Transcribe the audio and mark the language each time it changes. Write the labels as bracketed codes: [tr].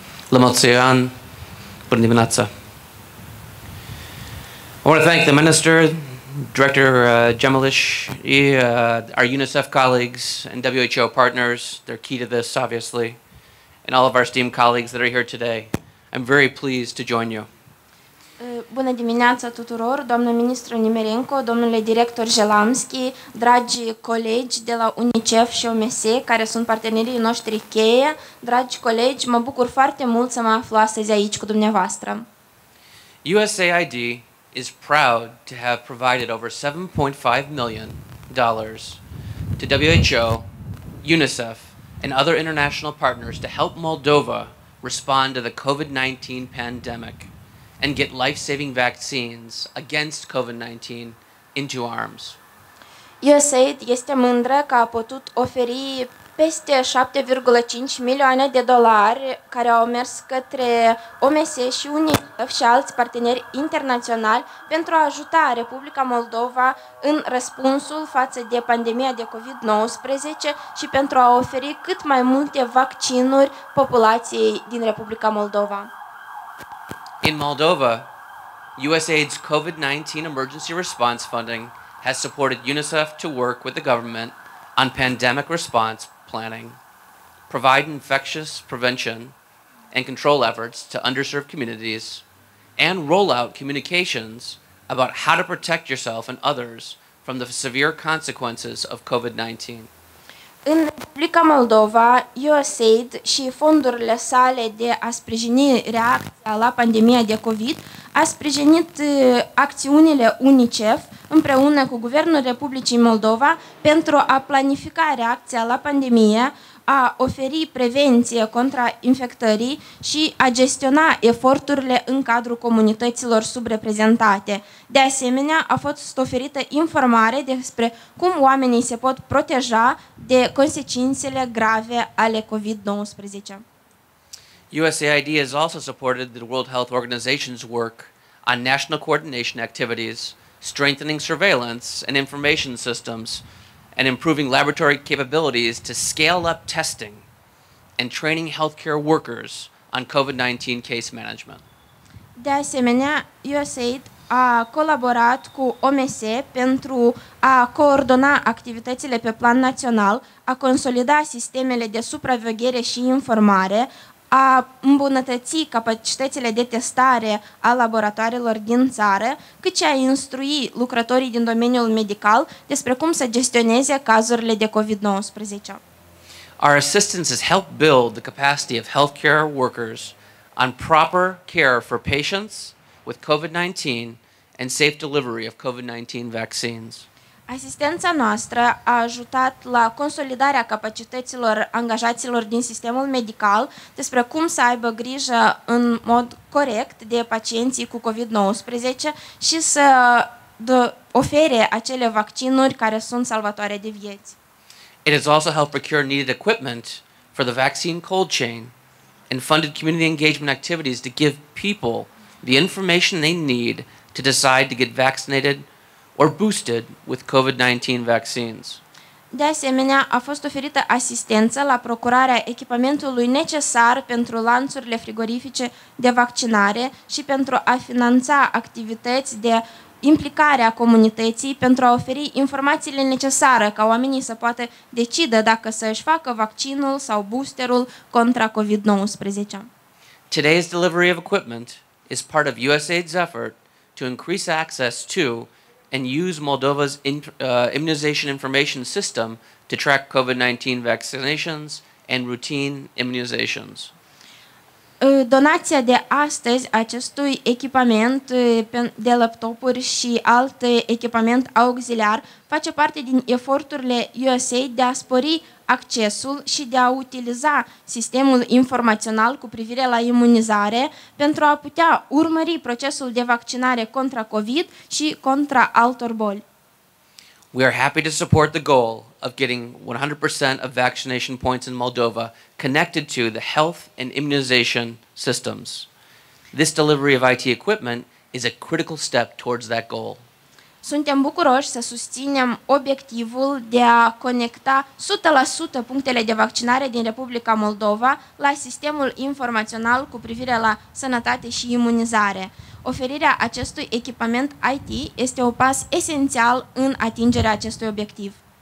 [ro] La mulți ani, bună dimineața. [en] I want to thank the Minister, Director Jemelish, our UNICEF colleagues and WHO partners. They're key to this, obviously, and all of our esteemed colleagues that are here today. I'm very pleased to join you. [ro] Bună dimineața tuturor, domnul ministru Nemirenko, domnule director Jelamski, dragi colegi de la UNICEF și OMS, care sunt partenerii noștri cheie, dragi colegi, mă bucur foarte mult să mă aflu astăzi aici cu dumneavoastră. [en] USAID is proud to have provided over $7.5 million to WHO, UNICEF, and other international partners to help Moldova respond to the COVID-19 pandemic and get life-saving vaccines against COVID-19 into arms. [ro] USAID este mândră că a putut oferi peste 7,5 milioane de dolari care au mers către OMS și UNICEF și alți parteneri internaționali pentru a ajuta Republica Moldova în răspunsul față de pandemia de COVID-19 și pentru a oferi cât mai multe vaccinuri populației din Republica Moldova. [en] In Moldova, USAID's COVID-19 emergency response funding has supported UNICEF to work with the government on pandemic response planning, provide infectious prevention and control efforts to underserved communities, and roll out communications about how to protect yourself and others from the severe consequences of COVID-19. [ro] În Republica Moldova, USAID și fondurile sale de a sprijini reacția la pandemia de COVID a sprijinit acțiunile UNICEF împreună cu Guvernul Republicii Moldova pentru a planifica reacția la pandemie, a oferi prevenție contra infectării și a gestiona eforturile în cadrul comunităților subreprezentate. De asemenea, a fost oferită informare despre cum oamenii se pot proteja de consecințele grave ale COVID-19. [en] USAID has also supported the World Health Organization's work on national coordination activities, strengthening surveillance and information systems, and improving laboratory capabilities to scale up testing and training healthcare workers on COVID-19 case management. [ro] De asemenea, USAID a colaborat cu OMS pentru a coordona activitățile pe plan național, a consolida sistemele de supraveghere și informare, a îmbunătăți capacitățile de testare a laboratoarelor din țară, cât și a instrui lucrătorii din domeniul medical despre cum să gestioneze cazurile de COVID-19. [en] Our assistance has helped build the capacity of healthcare workers on proper care for patients with COVID-19 and safe delivery of COVID-19 vaccines. [ro] Asistența noastră a ajutat la consolidarea capacităților angajaților din sistemul medical despre cum să aibă grijă în mod corect de pacienții cu COVID-19 și să ofere acele vaccinuri care sunt salvatoare de vieți. [en] It has also helped procure needed equipment for the vaccine cold chain and funded community engagement activities to give people the information they need to decide to get vaccinated or boosted with COVID-19 vaccines. [ro] De asemenea, a fost oferită asistență la procurarea echipamentului necesar pentru lanțurile frigorifice de vaccinare și pentru a finanța activități de implicare a comunității pentru a oferi informațiile necesare ca oamenii să poată decide dacă să își facă vaccinul sau boosterul contra COVID-19. [en] Today's delivery of equipment is part of USAID's effort to increase access to and use Moldova's immunization information system to track COVID-19 vaccinations and routine immunizations. [ro] Donația de astăzi acestui echipament de laptopuri și alt echipament auxiliar face parte din eforturile USAID de a spori accesul și de a utiliza sistemul informațional cu privire la imunizare pentru a putea urmări procesul de vaccinare contra COVID și contra altor boli. [en] We are happy to support the goal of getting 100% of vaccination points in Moldova connected to the health and immunization systems. This delivery of IT equipment is a critical step towards that goal. [ro] Suntem bucuroși să susținem obiectivul de a conecta 100% punctele de vaccinare din Republica Moldova la sistemul informațional cu privire la sănătate și imunizare. Oferirea acestui echipament IT este un pas esențial în atingerea acestui obiectiv.